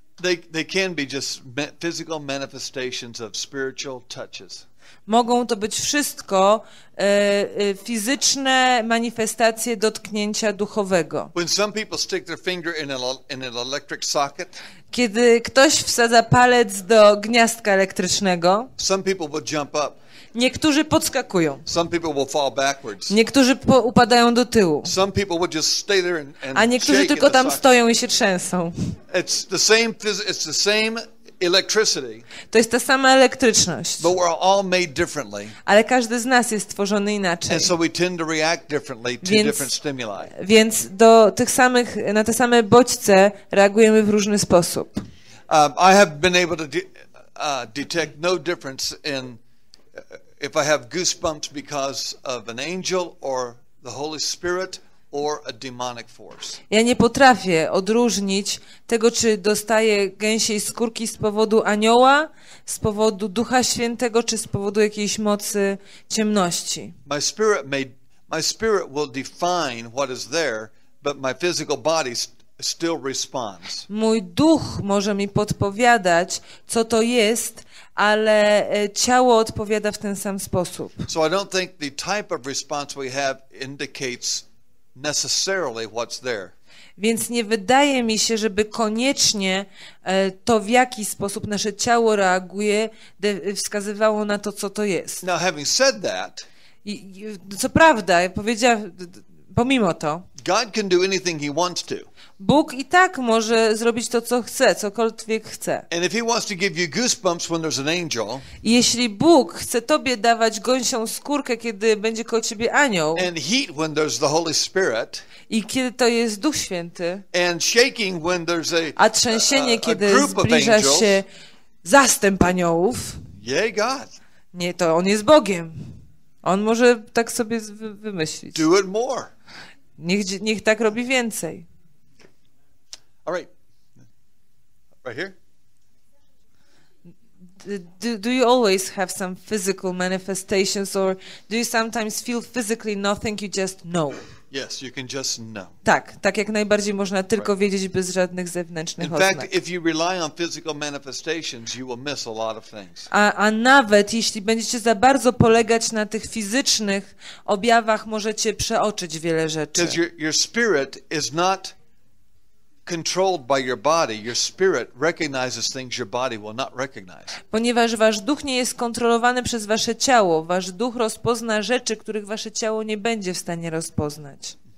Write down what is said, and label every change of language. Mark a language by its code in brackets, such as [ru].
[en] They can be just physical manifestations of spiritual touches. [pl] Mogą to być wszystko fizyczne manifestacje dotknięcia duchowego. [en] When some people stick their finger in an electric socket, [pl] kiedy ktoś wsadza palec do gniazdka elektrycznego, [en] some people will jump up. [pl] Niektórzy podskakują. [en] Some people will fall backwards. [pl] Niektórzy upadają do tyłu. [en] Some people will just stay there and [pl] a niektórzy tylko tam stoją i się trzęsą. [en] It's the same electricity. [pl] To jest ta sama elektryczność. [en] But we're all made differently. [pl] Ale każdy z nas jest stworzony inaczej. [en] And so we tend to react differently to different stimuli. [pl] Więc do tych samych, na te same bodźce reagujemy w różny sposób. [en] I have been able to detect no difference in if I have goosebumps because of an angel or the Holy Spirit. Or a demonic force. [pl] Ja nie potrafię odróżnić tego, czy dostaję gęsiej skórki z powodu anioła, z powodu Ducha Świętego, czy z powodu jakiejś mocy ciemności. [en] My spirit will define what is there, but my physical body still responds. [pl] Mój duch może mi podpowiadać, co to jest, ale ciało odpowiada w ten sam sposób. [en] So I don't think the type of response we have indicates necessarily what's there. [pl] Więc nie wydaje mi się, żeby koniecznie to, w jaki sposób nasze ciało reaguje, wskazywało na to, co to jest. [en] Now, having said that, [pl] co prawda, pomimo to, [en] God can do anything he wants to. [pl] Bóg i tak może zrobić to, co chce, cokolwiek chce. [en] And if he wants to give you goosebumps when there's an angel, [pl] jeśli Bóg chce tobie dawać gąsią skórkę, kiedy będzie koło ciebie anioł, [en] and heat when there's the Holy Spirit, [pl] i kiedy to jest Duch Święty, [en] and shaking when there's [pl] a trzęsienie, kiedy zbliża się zastęp aniołów, [en] yay God. [pl] Nie, to on jest Bogiem. On może tak sobie wymyślić. [en] Do it more. [pl] Niech tak robi więcej. [en] All right. Right here. Do you always have some physical manifestations or do you sometimes feel physically nothing, you just know? Yes, you can just know. [pl] Tak jak najbardziej można tylko right. Wiedzieć bez żadnych zewnętrznych oznak. [en] In fact, if you rely on physical manifestations, you will miss a lot of things. [pl] A nawet jeśli będziecie za bardzo polegać na tych fizycznych objawach, możecie przeoczyć wiele rzeczy. [en] Because your spirit is not controlled by your body, your spirit recognizes things your body will not recognize. [pl] Ponieważ wasz duch nie jest kontrolowany przez wasze ciało, wasz duch rozpozna rzeczy, których wasze ciało nie będzie w stanie rozpoznać.